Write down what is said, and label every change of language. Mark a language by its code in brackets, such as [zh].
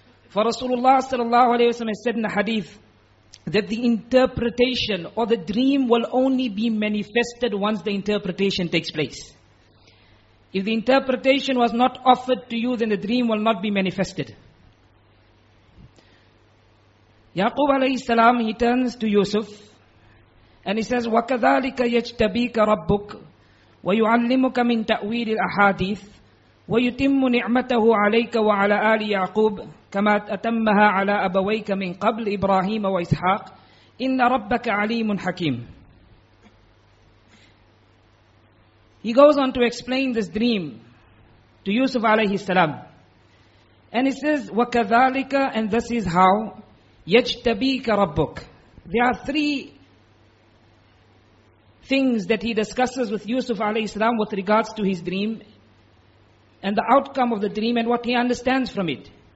[en] For Rasulullah sallallahu alayhi wa sallam has said in the hadith that the interpretation or the dream will only be manifested once the interpretation takes place. If the interpretation was not offered to you, then the dream will not be manifested. Yaqub alayhi salam, he turns to Yusuf, and he says, [ar] وَكَذَلِكَ يَجْتَبِيكَ رَبُّكَ وَيُعَلِّمُكَ مِنْ تَأْوِيلِ الْأَحَادِيثِ وَيُتِمُّ نِعْمَتَهُ عَلَيْكَ وَعَلَى آلِ يَعْقُوبَ كَمَا أَتَمَّهَا عَلَى أَبَوَيْكَ مِنْ قَبْلِ إِبْرَاهِيمَ وَإِسْحَاقَ إِنَّ رَبَّكَ عَلِيمٌ حَكِيمٌ. [en] He goes on to explain this dream to Yusuf alayhi salam, and he says, [ar] وَكَذَلِكَ, [en] and this is how, [ar] يَجْتَبِيكَ رَبُّكَ. [en] There are three things that he discusses with Yusuf alayhi salam with regards to his dream and the outcome of the dream and what he understands from it.